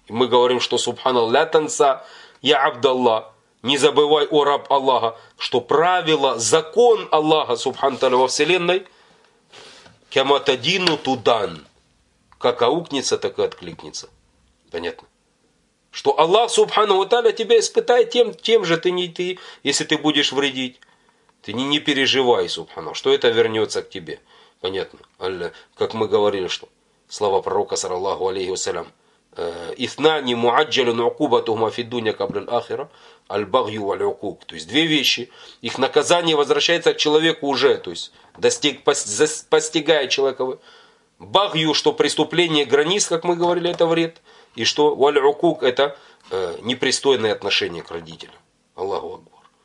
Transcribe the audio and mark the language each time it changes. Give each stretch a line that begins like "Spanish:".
Russian: И мы говорим, что субханал
Arabic: ля танса, я абдаллах,
Russian: не забывай, о раб Аллаха, что правило, закон Аллаха, субханаталя, во вселенной,
Arabic: кематадину тудан,
Russian: как аукнется, так и откликнется. Понятно? Что Аллах субхану ва тааля тебя испытает тем же, если ты будешь вредить. Ты не переживай, субхану, что это вернется к тебе. Понятно? Как мы говорили, что слова пророка, саллаллаху алейхи ва саллям,
Arabic: اثنان معجل عقوبتهما في الدنيا قبل الآخرة, البغي والعقوب.
Russian: То есть две вещи. Их наказание возвращается к человеку уже, то есть постигает человека. Багью, что преступление границ, как мы говорили, это вред. И что валь-укук – это непристойное отношение к родителям. Аллаху Акбар.